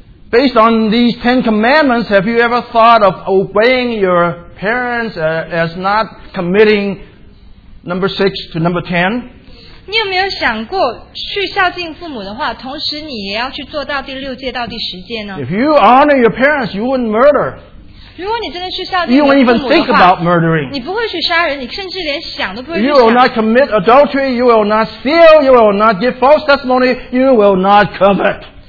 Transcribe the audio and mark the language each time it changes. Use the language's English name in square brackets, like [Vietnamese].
[English] Based on these Ten Commandments, have you ever thought of obeying your parents as not committing number 6 to number 10? [Chinese] 你有没有想过去孝敬父母的话，同时你也要去做到第六戒到第十戒呢？ [English] If you honor your parents, you wouldn't murder. [Chinese] 如果你真的去孝敬父母的话, [English] you wouldn't even think about murdering. [Chinese] 你不会去杀人，你甚至连想都不会去想。 [English] You will not commit adultery, you will not steal, you will not give false testimony, you will not covet.